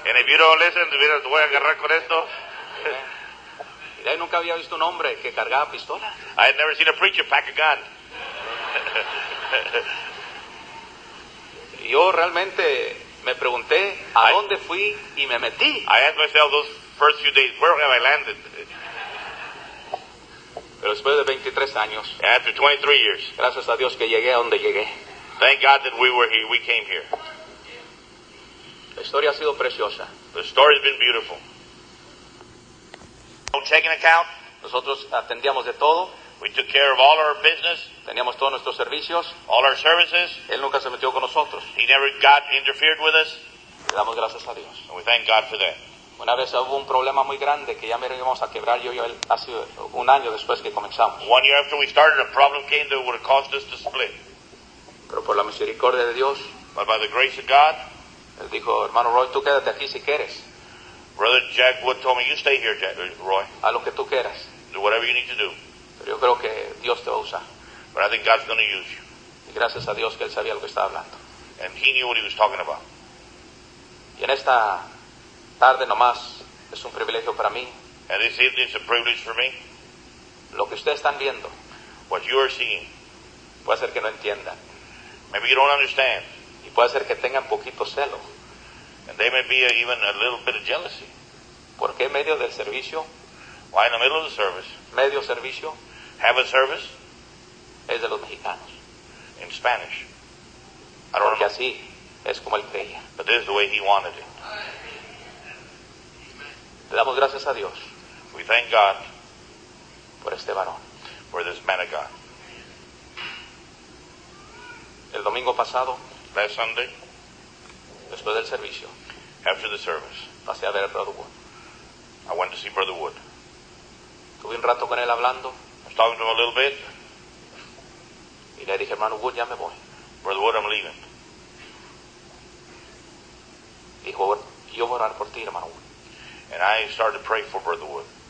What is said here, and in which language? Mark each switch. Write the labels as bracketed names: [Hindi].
[English] And if you don't listen, [Spanish] te voy a agarrar con esto. Y de ahí nunca había visto un hombre que cargaba pistola. [English] I had never seen a preacher pack a gun. [Spanish] Yo realmente me pregunté a dónde fui y me metí. [English] I asked myself those first few days, where have I landed? [Spanish] Pero después de 23 años. [English] After 23 years. [Spanish] Gracias a Dios que llegué a donde llegué. [English] Thank God that we were here. We came here. [Spanish] La historia ha sido preciosa. [English] The story has been beautiful. No checking account. [Spanish] Nosotros atendíamos de todo. [English] We took care of all our business. [Spanish] Teníamos todos nuestros servicios. [English] All our services. [Spanish] Él nunca se metió con nosotros. [English] He never got interfered with us. [Spanish] Le damos gracias a Dios. [English] And we thank God for that. [Spanish] Una vez hubo un problema muy grande que ya me íbamos a quebrar yo y él hace un año después que comenzamos. [English] One year after we started, a problem came that would have caused us to split. [Spanish] Pero por la misericordia de Dios, [English] but by the grace of God, [Spanish] él dijo, hermano Roy, tú quédate aquí si quieres. [English] Brother Jack Wood told me, you stay here, Jack, Roy. [Spanish] A lo que tú quieras. [English] Do whatever you need to do. [Spanish] Pero yo creo que Dios te va a usar. [English] But I think God's going to use you. [Spanish] Y gracias a Dios que él sabía lo que estaba hablando. [English] And he knew what he was talking about. [Spanish] Y en esta tarde nomás, es un privilegio para mí. [English] And this evening is a privilege for me. [Spanish] Lo que ustedes están viendo, [English] what you are seeing, [Spanish] puede ser que no entiendan. [English] Maybe you don't understand. [Spanish] Y puede ser que tengan poquito celo. [English] And they may be even a little bit of jealousy. [Spanish] ¿Por qué medio del servicio? [English] Why in the middle of the service? [Spanish] Medio servicio. [English] Have a service. [Spanish] Es de los mexicanos. [English] In Spanish. I don't know. [Spanish] Así es como él creía. [English] But this is the way he wanted it. [Spanish] Le damos gracias a Dios. [English] We thank God. [Spanish] Por este varón. [English] For this man of God. [Spanish] El domingo pasado. [English] Last Sunday. [Spanish] Después del servicio. [English] After the service. [Spanish] Pasé a ver a Brother Wood. [English] I went to see Brother Wood. [Spanish] Tuve un rato con él hablando. [English] I was talking to him a little bit. [Spanish] Y le dije, hermano Wood, ya me voy. [English] Brother Wood, I'm leaving. [Spanish] Dijo, yo voy a orar por ti, hermano Wood. [English] And I started to pray for Brother Wood.